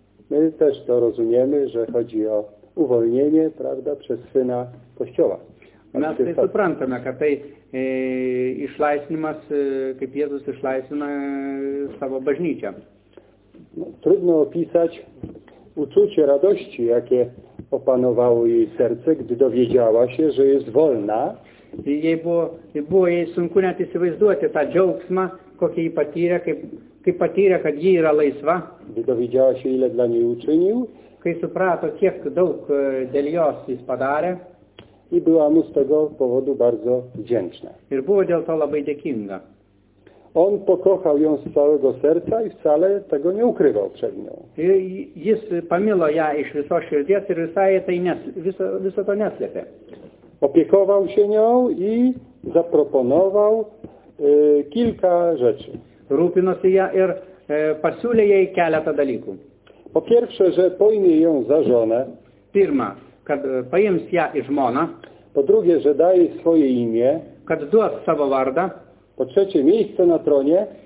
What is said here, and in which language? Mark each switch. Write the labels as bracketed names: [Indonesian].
[Polish] My też to rozumiemy, że chodzi o uvolnienie, prawda, przez syna Kościoła. [Lithuanian] Mes tai suprantame, kad tai išlaisvinimas, kaip Jėzus išlaisvina savo bažnyčią. [Polish] Trudno opisać uczucie radości, jakie opanowało jej serce, gdy dowiedziała się, że jest wolna. [Lithuanian] Jej buvo jej sunku net įsivaizduoti tą džiaugsmą, kokią jį patyrė, kaip patyrė, kad ji yra laisva. [Polish] Gdy dowiedziała się, ile dla niej uczynił. [Lithuanian] Kai suprato, kiek daug dėl jos jis padarė. [Polish] I była mu z tego powodu bardzo wdzięczna. [Lithuanian] Ir buvo dėl to labai dėkinga. [Polish] On pokochał ją z całego serca i wcale tego nie ukrywał przed nią. [Lithuanian] Jis pamilo ją iš visos širdies ir viso to neslėpė. [Polish] Opiekował się nią i zaproponował kilka rzeczy. [Lithuanian] Rūpinosi ją ir pasiūlė jai keletą dalykų. [Polish] Po pierwsze, że pojmie ją za żonę. [Lithuanian] Pirma, kad paims ją i žmoną. [Polish] Po drugie, że daje swoje imię. [Lithuanian] Kad duos savo vardą. [Polish] Po trzecie, miejsce na tronie.